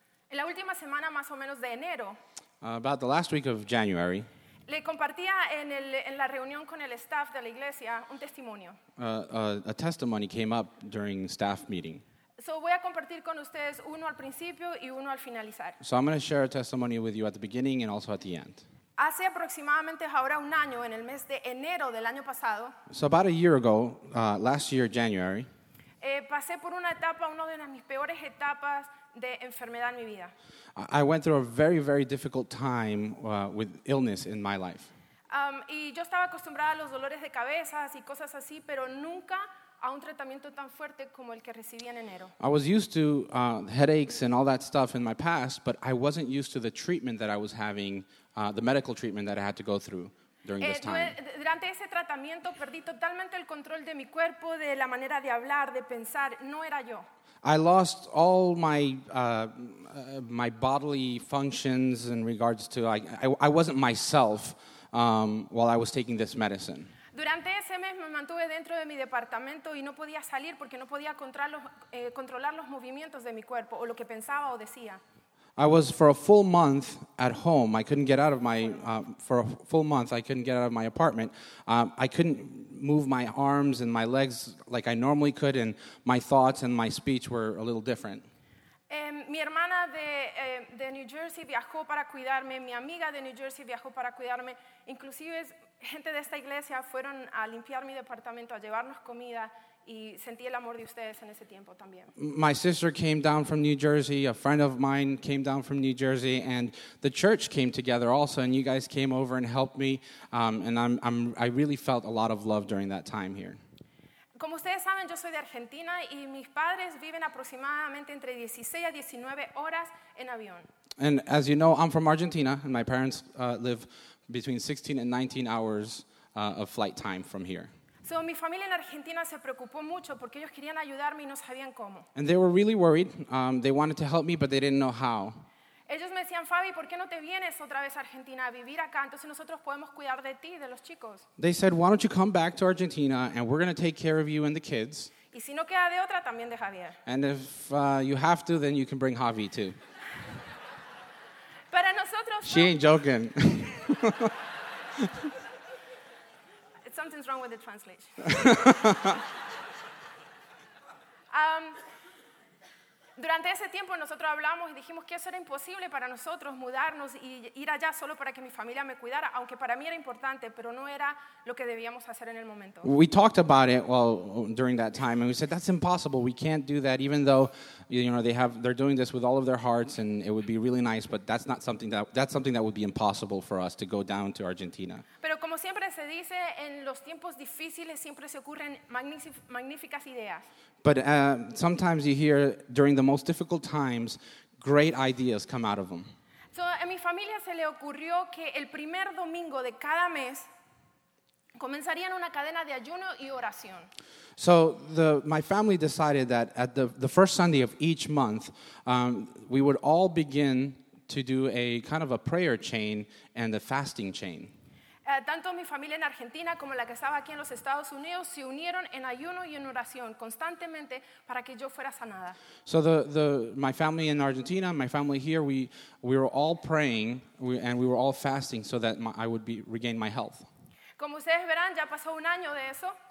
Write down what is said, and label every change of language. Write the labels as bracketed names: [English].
[Spanish] En la última semana más o menos de enero. [English] About the last week of January. [Spanish] Le compartía en la reunión con el staff de la iglesia un testimonio. [English] A testimony came up during staff meeting. [Spanish] So voy a compartir con ustedes uno al principio y uno al finalizar. [English] So I'm going to share a testimony with you at the beginning and also at the end. [Spanish] Hace aproximadamente ahora un año, en el mes de enero del año pasado. [English] So about a year ago, last year, January. [Spanish] Pasé por una etapa, una de mis peores etapas de enfermedad en mi vida. [English] I went through a very, very difficult time with illness in my life. [Spanish] Y yo estaba acostumbrada a los dolores de cabezas y cosas así, pero nunca a un tratamiento tan fuerte como el que recibí en enero. [English] I was used to headaches and all that stuff in my past, but I wasn't used to the treatment that I was having, the medical treatment that I had to go through during this time. [Spanish] Durante ese tratamiento perdí totalmente el control de mi cuerpo, de la manera de hablar, de pensar. No era yo. [English] I lost all my my bodily functions in regards to I wasn't myself while I was taking this medicine. [Spanish] Durante ese mes me mantuve dentro de mi departamento y no podía salir porque no podía controlar los movimientos de mi cuerpo o lo que pensaba o decía. [English] I was for a full month at home. I couldn't get out of my for a full month. I couldn't get out of my apartment. I couldn't move my arms and my legs like I normally could, and my thoughts and my speech were a little different. [Spanish] Mi hermana de New Jersey viajó para cuidarme. Mi amiga de New Jersey viajó para cuidarme. Inclusive, gente de esta iglesia fueron a limpiar mi departamento, a llevarnos comida. Y sentí el amor de ustedes en ese tiempo también. [English] My sister came down from New Jersey, a friend of mine came down from New Jersey, and the church came together also, and you guys came over and helped me, and I really felt a lot of love during that time here. [Spanish] Como ustedes saben, yo soy de Argentina, y mis padres viven aproximadamente entre 16 a 19 horas en avión. [English] And as you know, I'm from Argentina, and my parents live between 16 and 19 hours of flight time from here. [Spanish] So mi familia en Argentina se preocupó mucho porque ellos querían ayudarme y no sabían cómo. [English] And they were really worried. They wanted to help me, but they didn't know how. [Spanish] Ellos me decían, Fabi, ¿por qué no te vienes otra vez a Argentina a vivir acá? Entonces nosotros podemos cuidar de ti, de los chicos. [English] They said, why don't you come back to Argentina and we're going to take care of you and the kids. [Spanish] Y si no queda de otra, también de Javier. [English] And if you have to, then you can bring Javi too. [Spanish] Para nosotros. [English] She ain't joking. Something's wrong with the translation. [Spanish] Durante ese tiempo nosotros hablamos y dijimos que eso era imposible para nosotros mudarnos y ir allá solo para que mi familia me cuidara, aunque para mí era importante, pero no era lo que debíamos hacer en el momento. [English] We talked about it during that time, and we said that's impossible. We can't do that, even though you know they're doing this with all of their hearts, and it would be really nice, but that's something that would be impossible for us to go down to Argentina. [Spanish] Pero como siempre se dice, en los tiempos difíciles siempre se ocurren magníficas ideas. [English] But sometimes you hear during the most difficult times, great ideas come out of them. [Spanish] So a mi familia se le ocurrió que el primer domingo de cada mes comenzarían una cadena de ayuno y oración. [English] So my family decided that at the first Sunday of each month, we would all begin to do a kind of a prayer chain and a fasting chain. [Spanish] Tanto mi familia en Argentina como la que estaba aquí en los Estados Unidos se unieron en ayuno y en oración constantemente para que yo fuera sanada. [English] So the my family in Argentina, my family here, we were all praying and we were all fasting so that I would regain my health. [Spanish] Como ustedes verán, ya pasó un año de eso.